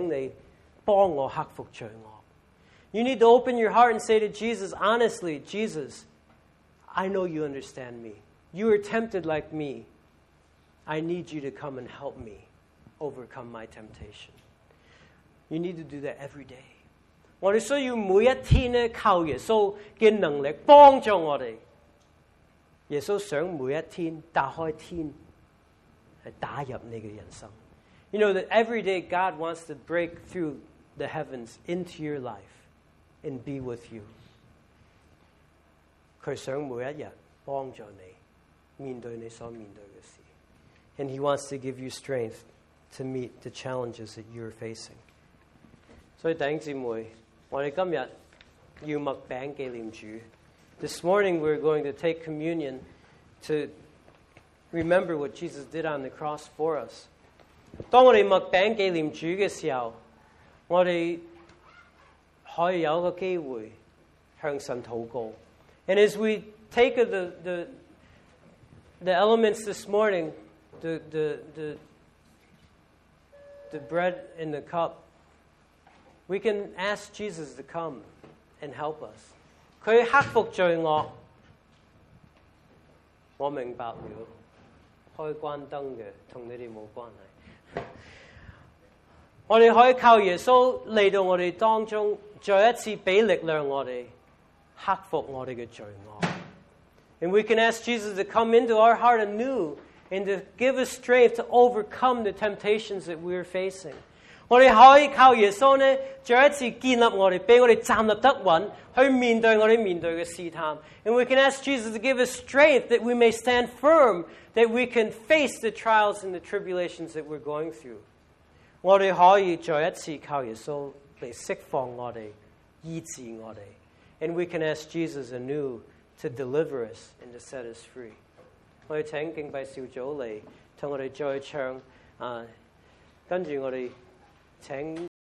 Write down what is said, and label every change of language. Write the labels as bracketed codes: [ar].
[zh] 是啊，可能你是差一点。你要打开个心，每一日打开个心，耶稣，你明白我，你被高抹，是要拯救我，我请你帮我克服罪恶。 [en] You need to open your heart and say to Jesus, honestly, Jesus, I know you understand me. You are tempted like me. I need you to come and help me overcome my temptation. You need to do that every day. [zh] 我们需要每一天靠耶稣的能力帮助我们。耶稣想每一天打开天，打入你的人生。 [en] You know that every day God wants to break through the heavens into your life and be with you. [zh] 祂想每一天帮助你面对你所面对的事。 [en] And he wants to give you strength to meet the challenges that you're facing. [zh] 所以弟兄姊妹，我们今天要默饼纪念主。 [en] This morning we're going to take communion to remember what Jesus did on the cross for us. [zh] 当我们默饼纪念主的时候，我们可以有个机会向神祷告。 [en] And as we take the elements this morning, the bread and the cup, we can ask Jesus to come and help us. [zh] 祂克服罪恶，我明白了，开关灯的与你们没关系。我们可以靠耶稣来到我们当中，再一次给力量我们克服我们的罪恶。 [en] And we can ask Jesus to come into our heart anew and to give us strength to overcome the temptations that we are facing. [zh] 我们可以靠耶稣呢，再一次建立我们，给我们站立得稳，去面对我们面对的试探。 [en] And we can ask Jesus to give us strength that we may stand firm, that we can face the trials and the tribulations that we're going through. [zh] 我们可以再一次靠耶稣来释放我们，医治我们。 [en] And we can ask Jesus anew to deliver us and to set us free. [zh] 我们请敬拜小组来，同我们再唱，跟着我们请。